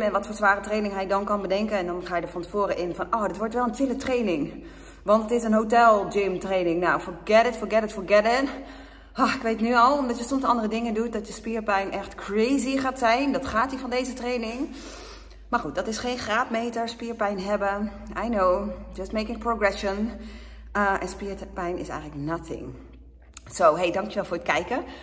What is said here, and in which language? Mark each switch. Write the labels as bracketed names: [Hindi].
[Dutch] En wat voor zware training hij dan kan bedenken. En dan ga je er van tevoren in van, oh, dit wordt wel een chille training. Want het is een hotel gym training. Nou, [English] forget it. [Dutch] Ach, ik weet nu al, omdat je soms andere dingen doet, dat je spierpijn echt crazy gaat zijn. Dat gaat hij van deze training. Maar goed, dat is geen graadmeter, spierpijn hebben. [English] I know, just making progression. [Dutch] En spierpijn is eigenlijk nothing. Zo, hey, dankjewel voor het kijken.